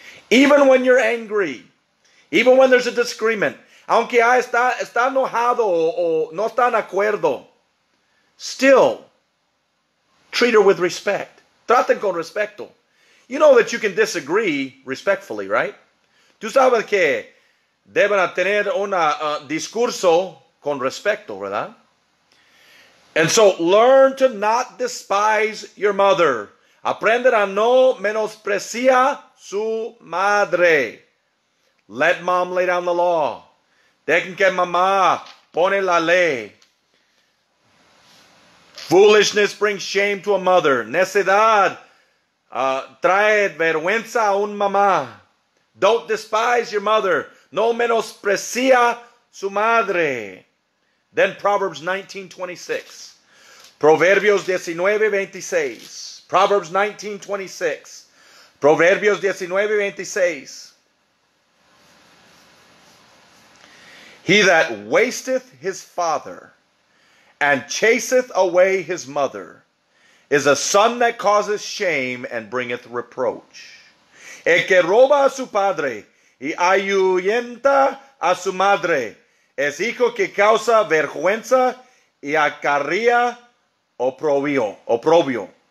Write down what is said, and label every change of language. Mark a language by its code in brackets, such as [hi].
[en] Even when you're angry, even when there's a disagreement, [es] aunque está enojado o no está en acuerdo, [en] still, treat her with respect. [es] Traten con respeto. [en] You know that you can disagree respectfully, right? [es] Tú sabes que deben tener un discurso con respeto, ¿verdad? [en] And so, learn to not despise your mother. [es] Aprende a no menospreciar su madre. [en] Let mom lay down the law. [es] Dejen que mamá pone la ley. [en] Foolishness brings shame to a mother. [es] Necedad trae vergüenza a un mamá. [en] Don't despise your mother. [es] No menosprecia su madre. [en] Then Proverbs 19:26. Proverbios 19:26. Proverbs 19:26. Proverbios 19:26. He that wasteth his father and chaseth away his mother is a son that causes shame and bringeth reproach. [es] El que roba a su padre y ahuyenta a su madre es hijo que causa vergüenza y acarrea oprobio.